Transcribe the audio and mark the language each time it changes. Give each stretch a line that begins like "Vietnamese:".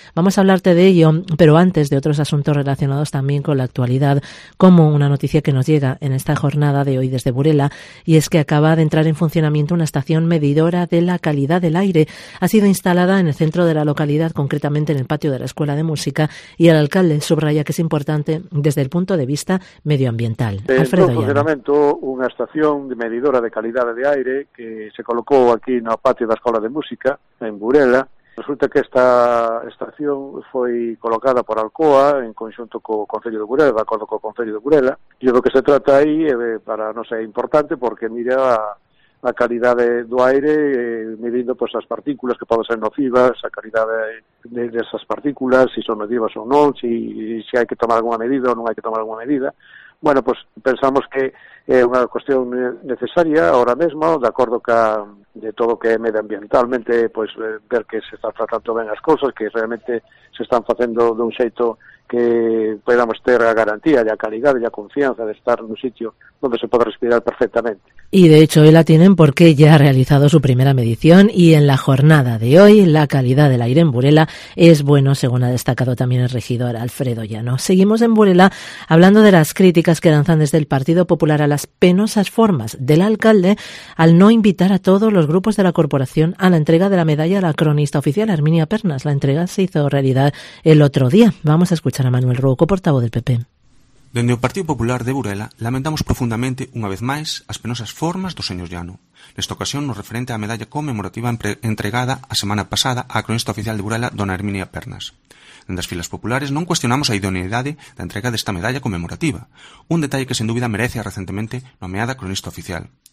Spanish: Vamos a hablarte de ello, pero antes de otros asuntos relacionados también con la actualidad, como una noticia que nos llega en esta jornada de hoy desde Burela, y es que acaba de entrar en funcionamiento una estación medidora de la calidad del aire. Ha sido instalada en el centro de la localidad, concretamente en el patio de la Escuela de Música, y el alcalde subraya que es importante desde el punto de vista medioambiental.
Galician: Alfredo, en funcionamento unha estación de medidora de calidade de aire que se colocou aquí no patio da Escola de Música en Burela. Nos resulta que esta estación foi colocada por Alcoa en conxunto co Concello de Burela, de acordo co Concello de Burela, e do que se trata aí, para non ser importante, porque mira a calidade do aire, medindo pues, as partículas que poden ser nocivas, a calidade de esas partículas, si son nocivas ou non, si hai que tomar alguna medida ou non hai que tomar alguna medida. Bueno, pues pensamos que é unha cuestión necesaria ahora mesmo, de acordo que de todo que é medioambientalmente, pues ver que se están tratando ben as cousas, que realmente se están facendo dun xeito que podamos ter a garantía e a calidade e a confianza de estar nun sitio onde se pode respirar perfectamente.
Spanish: E de hecho, hoy la tienen porque ya ha realizado su primera medición y en la jornada de hoy la calidad del aire en Burela es bueno, según ha destacado también el regidor Alfredo Llano. Seguimos en Burela hablando de las críticas que lanzan desde el Partido Popular a las penosas formas del alcalde al no invitar a todos los grupos de la corporación a la entrega de la medalla a la cronista oficial Herminia Pernas. La entrega se hizo realidad el otro día. Vamos a escuchar a Manuel Rouco, portavoz del PP.
Galician: Dende o Partido Popular de Burela, lamentamos profundamente, unha vez máis, as penosas formas do señor Llano. Nesta ocasión, nos referente á medalla conmemorativa entregada a semana pasada á cronista oficial de Burela, dona Herminia Pernas. Dende as filas populares, non cuestionamos a idoneidade da entrega desta medalla conmemorativa, un detalle que, sen dúbida, merece a recentemente nomeada cronista oficial.